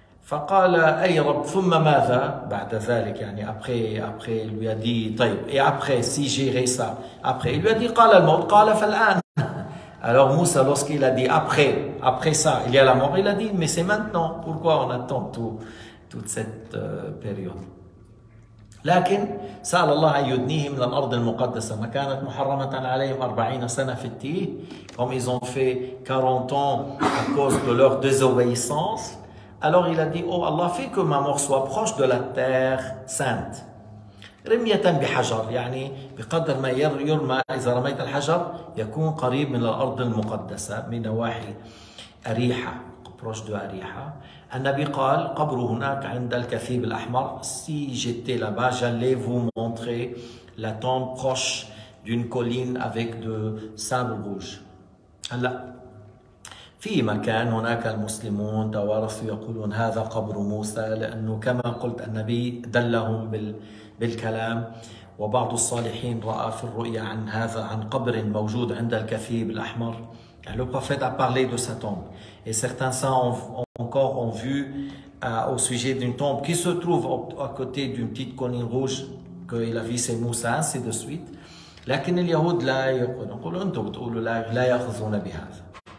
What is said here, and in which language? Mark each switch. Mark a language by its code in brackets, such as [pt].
[ar] فقال اي رب ثم ماذا بعد ذلك يعني [fr] après lui a dit [ar] طيب [fr] et après si j'irai ça après il lui a dit [ar] قال الموت قال فالان [fr] alors Moussa lorsqu'il a dit après ça il y a la mort il a dit mais c'est maintenant pourquoi on attend toute cette période [ar] لكن سال الله ان يدنيهم من الارض المقدسه ما كانت محرمه عليهم 40 سنه في التيه [fr] comme ils ont fait 40 ans à cause de leur désobéissance. Alors il a dit, oh Allah, fais que ma mort soit proche de la terre sainte. [ar] رميةً بحجر يعني بقدر ما يرمى إذا رميت الحجر يكون قريب من الأرض المقدسة من نواحي أريحة [fr] proche de [ar] أريحة. النبي قال قبر هناك عند الكثيب الأحمر. [fr] Si j'étais là-bas, j'allais vous montrer la tombe proche d'une colline avec de sable rouge. [ar] هلا في مكان هناك المسلمون توارثوا يقولون هذا قبر موسى لأنه كما قلت النبي دلهم بالكلام وبعض الصالحين رأى في الرؤيا عن هذا عن قبر موجود عند الكثيب الأحمر. [fr] Le prophète a parlé de sa tombe et certains saints encore ont vu au sujet d'une tombe qui se trouve à côté d'une petite colline rouge que il a vu c'est Moussa ainsi de suite. [ar] لكن اليهود لا يقولون أنتم بتقولوا لا يأخذون بهذا.